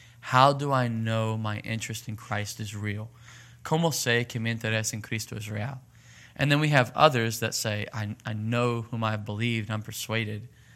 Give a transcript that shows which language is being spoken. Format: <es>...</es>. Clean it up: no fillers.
<en>How do I know my interest in Christ is real?</en> <es>¿Cómo sé que mi interés en Cristo es real?</es> <en>And then we have others that say, I know whom I believe, and I'm persuaded</en>